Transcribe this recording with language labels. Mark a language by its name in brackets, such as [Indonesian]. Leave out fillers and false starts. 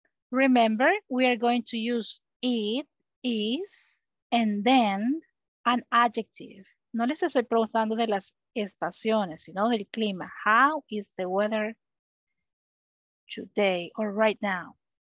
[English] Remember, we are going to use it, is, and then an adjective. [Spanish] No les estoy preguntando de las estaciones, sino del clima. [English] How is the weather today or right now?